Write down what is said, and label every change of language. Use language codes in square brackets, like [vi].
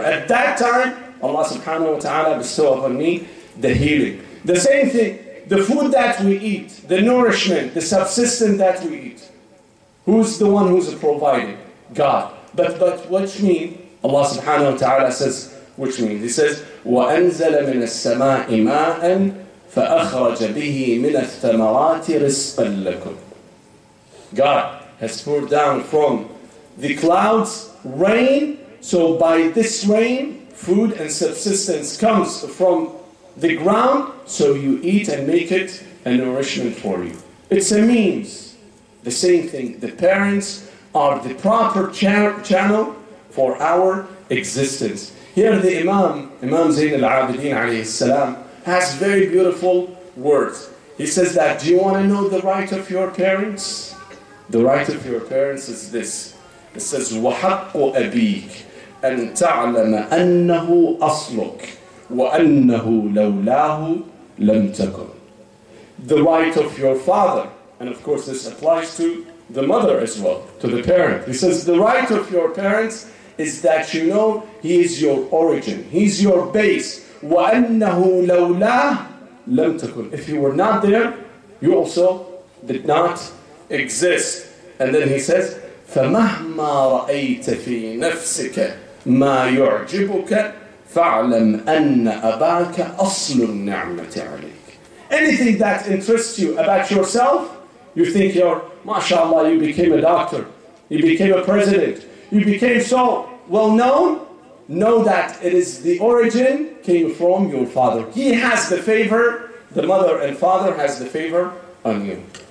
[en] At that time, Allah subhanahu wa ta'ala bestow upon me the healing. The same thing, the food that we eat, the nourishment, the subsistence that we eat. Who's the one who's providing? God. But which mean? Allah subhanahu wa ta'ala says, which means? [ar] He says, وَأَنْزَلَ مِنَ السَّمَاءِ مَاءً فَأَخْرَجَ بِهِ مِنَ الثَّمَرَاتِ رِزْقًا لَكُمْ. [en] God has poured down from the clouds rain, so by this rain, food and subsistence comes from the ground, so you eat and make it a nourishment for you. It's a means. The same thing, the parents are the proper channel for our existence. Here the Imam Zayn al-Abidin alayhi salam, has very beautiful words. He says that, do you want to know the right of your parents? The right of your parents is this. [ar] It says, وَحَقُّ أَبِيكَ أَن تَعْلَمَ أَنَّهُ أَصْلُكَ وَأَنَّهُ لَوْلَاهُ لَمْ تَكُنْ. [en] The right of your father, and of course this applies to the mother as well, to the parent. He says, the right of your parents is that you know he is your origin, he's your base. [ar] وَأَنَّهُ لَوْلَا لَمْ تَكُنْ. [en] If you were not there, you also did not exist. And then he says, [ar] فمهما رأيت في نفسك ما يعجبك فاعلم أن أباك أصل النعمة عليك. [en] Anything that interests you about yourself, you think you're, mashallah, you became a doctor, you became a president, you became so well known, know that it is the origin came from your father. He has the favor, the mother and father has the favor on you.